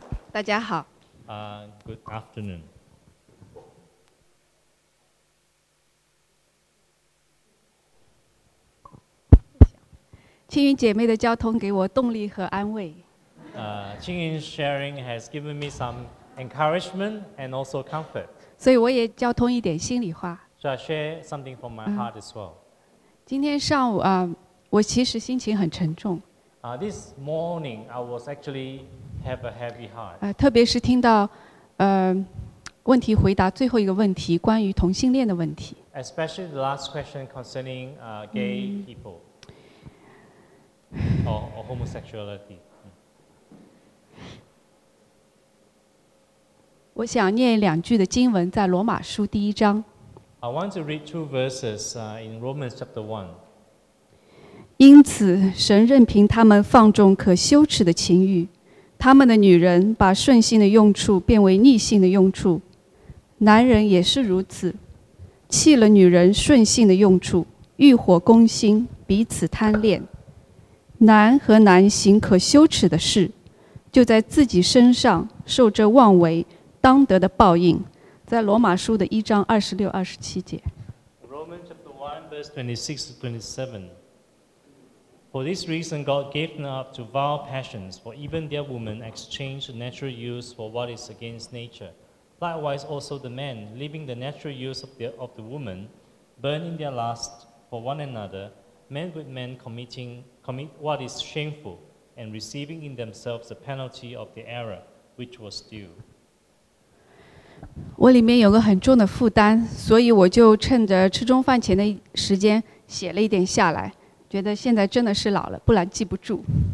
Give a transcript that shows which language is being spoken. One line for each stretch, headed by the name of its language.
Chinese: 大家好。
English: Good afternoon.
Chinese: 青云姐妹的交通给我动力和安慰。
English: Qingyun's sharing has given me some encouragement and also comfort.
Chinese: 所以我也交通一点心里话。
English: So I share something from my heart as well.
Chinese: 今天上午啊，我其实心情很沉重。
English: This morning I was actually have a heavy heart.
Chinese: 特别是听到问题回答最后一个问题，关于同性恋的问题。
English: Especially the last question concerning gay people or homosexuality.
Chinese: 我想念两句的经文，在罗马书第一章。
English: I want to read two verses in Romans chapter one.
Chinese: 因此，神任凭他们放纵可羞耻的情欲，他们的女人把顺性的用处变为逆性的用处，男人也是如此，弃了女人顺性的用处，欲火攻心，彼此贪恋，男和男行可羞耻的事，就在自己身上受这妄为。当得的报应，在罗马书的一章二十六、二十七节。
English: Romans chapter one, verse 26-27. For this reason, God gave them up to vile passions, for even their women exchanged natural use for what is against nature. Likewise, also the men, leaving the natural use of the woman, burning their lust for one another, men with men commit what is shameful, and receiving in themselves the penalty of the error which was due.
Chinese: 我里面有个很重的负担，所以我就趁着吃中饭前的时间写了一点下来，觉得现在真的是老了，不然记不住。